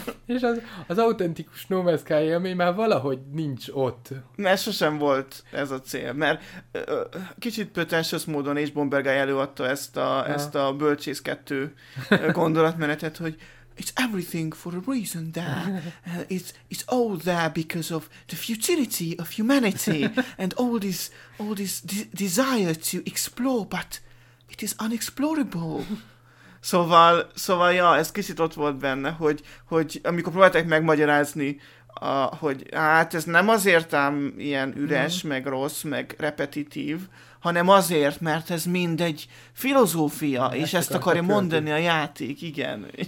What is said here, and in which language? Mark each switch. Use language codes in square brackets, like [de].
[hu] És az autentikus No Man's Sky élmény már valahogy nincs ott. Mert sosem volt ez a cél, mert kicsit pretentious módon és Bomber Guy előadta ezt a Bölcsész 2 gondolatmenetet, hogy [en] it's everything for a reason there. It's all there because of the futility of humanity and all this desire to explore, but it is unexplorable. [hu] Szóval, ja, ez kicsit ott volt benne, hogy amikor próbálták megmagyarázni, hogy hát ez nem azért ám ilyen üres, meg rossz, meg repetitív, hanem azért, mert ez mind egy filozófia, és ezt akarja mondani a játék, igen.